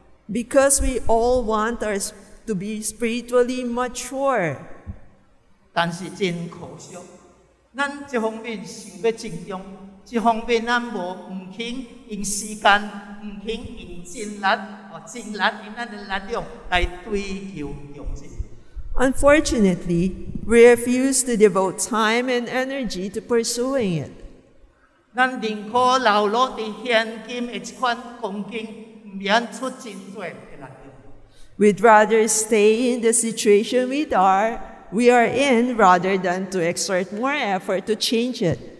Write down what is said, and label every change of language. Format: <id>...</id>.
<en>Because we all want us to be spiritually mature.</en> <nan>但是真可惜，咱一方面想要成长，一方面咱无唔肯用时间，唔肯用精力用咱的力量来追求成就。</nan> <en>Unfortunately, we refuse to devote time and energy to pursuing it.</en> <nan>咱宁可流落伫现今的这款光景，唔免出真多的力量。</nan> <en>We'd rather stay in the situation we are in rather than to exert more effort to change it.</en>